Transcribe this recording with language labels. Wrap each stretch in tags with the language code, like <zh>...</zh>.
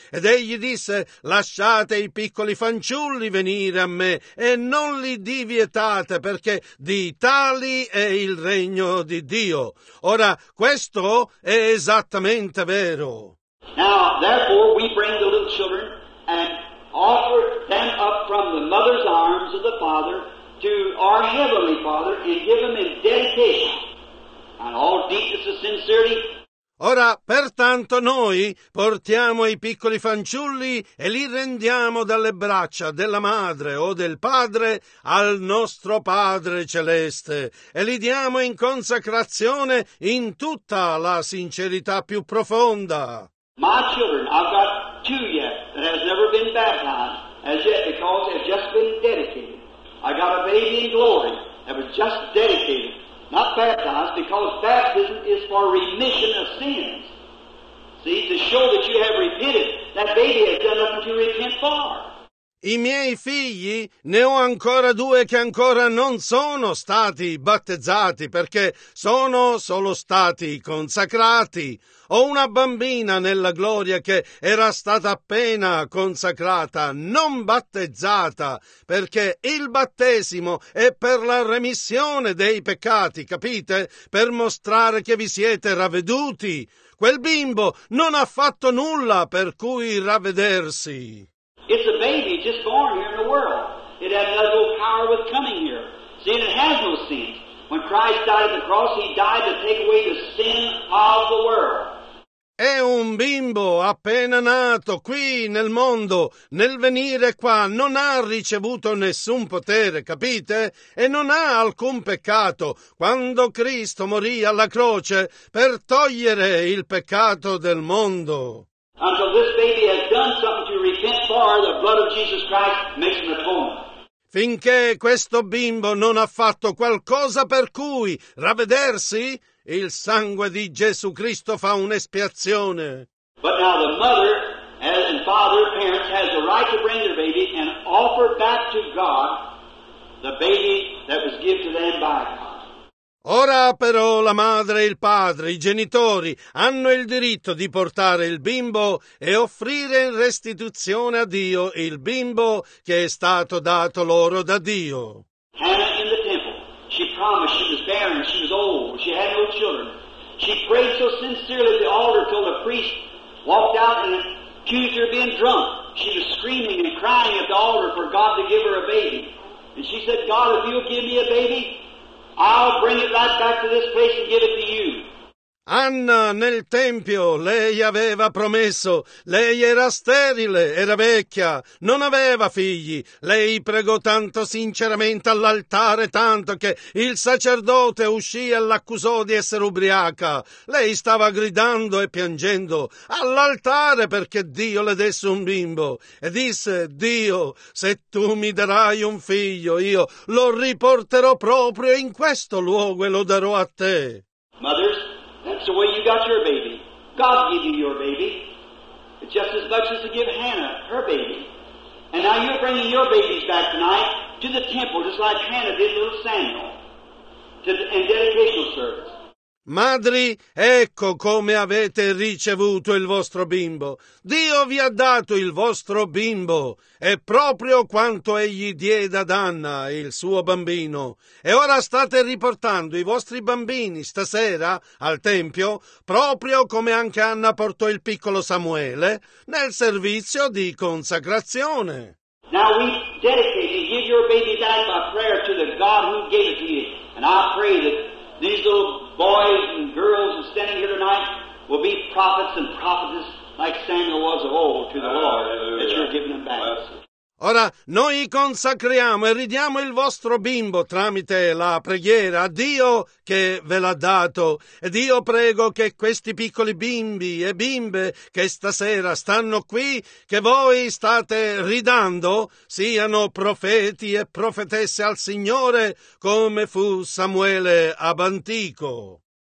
<it>Ed egli disse, lasciate i piccoli fanciulli venire a me e non li divietate perché di tali è il regno di Dio. Ora, questo è esattamente vero.</it> <en>Now, therefore, we bring the little children and offer them up from the mother's arms of the Father to our Heavenly Father and give them in dedication and all deepness of sincerity.</en> <it>Ora, pertanto, noi portiamo i piccoli fanciulli e li rendiamo dalle braccia della madre o del padre al nostro Padre Celeste e li diamo in consacrazione in tutta la sincerità più profonda.</it> <en>My children, I've got two yet that has never been baptized as yet because they've just been dedicated. I got a baby in glory that was just dedicated. Not baptized, because baptism is for remission of sins. See, to show that you have repented, that baby has done nothing to repent for.</en> <it>I miei figli, ne ho ancora due che ancora non sono stati battezzati perché sono solo stati consacrati. Ho una bambina nella gloria che era stata appena consacrata, non battezzata, perché il battesimo è per la remissione dei peccati, capite? Per mostrare che vi siete ravveduti. Quel bimbo non ha fatto nulla per cui ravvedersi.</it> <en>It's a baby just born here in the world. It has no power with coming here. See, it has no sin. When Christ died on the cross, he died to take away the sin of the world.</en> <it>È un bimbo appena nato qui nel mondo, nel venire qua, non ha ricevuto nessun potere, capite? E non ha alcun peccato. Quando Cristo morì alla croce per togliere il peccato del mondo.</it> <en>Until this baby has done something to repent for, the blood of Jesus Christ makes an atonement.</en> <it>Finché questo bimbo non ha fatto qualcosa per cui ravvedersi, il sangue di Gesù Cristo fa un'espiazione.</it> <en>But now the mother and father, parents, has the right to bring their baby and offer back to God the baby that was given to them by God.</en> <it>Ora però la madre e il padre, i genitori, hanno il diritto di portare il bimbo e offrire in restituzione a Dio il bimbo che è stato dato loro da Dio.</it> <en>Hannah in the temple, she promised she was barren, she was old, she had no children. She prayed so sincerely at the altar till the priest walked out and accused her of being drunk. She was screaming and crying at the altar for God to give her a baby. And she said, God, if you'll give me a baby, I'll bring it right back to this place and give it to you.</en> <it>Anna nel tempio, lei aveva promesso, lei era sterile, era vecchia, non aveva figli, lei pregò tanto sinceramente all'altare tanto che il sacerdote uscì e l'accusò di essere ubriaca, lei stava gridando e piangendo all'altare perché Dio le desse un bimbo e disse, Dio, se tu mi darai un figlio, io lo riporterò proprio in questo luogo e lo darò a te.</it> <en>Mothers. That's the way you got your baby. God gave you your baby. Just as much as to give Hannah her baby. And now you're bringing your babies back tonight to the temple, just like Hannah did little Samuel, to the dedicational service.</en> <it>Madri, ecco come avete ricevuto il vostro bimbo. Dio vi ha dato il vostro bimbo. È proprio quanto egli diede ad Anna, il suo bambino. E ora state riportando i vostri bambini stasera al Tempio, proprio come anche Anna portò il piccolo Samuele, nel servizio di consacrazione.</it> <en>Now we dedicate to give your baby back by prayer to the God who gave it to you. And I pray that these little boys and girls who are standing here tonight will be prophets and prophetesses like Samuel was of old to the Lord that you're giving them back.</en> <it>Ora, noi consacriamo e ridiamo il vostro bimbo tramite la preghiera a Dio che ve l'ha dato. Ed io prego che questi piccoli bimbi e bimbe che stasera stanno qui, che voi state ridando, siano profeti e profetesse al Signore, come fu Samuele ab antico.</it>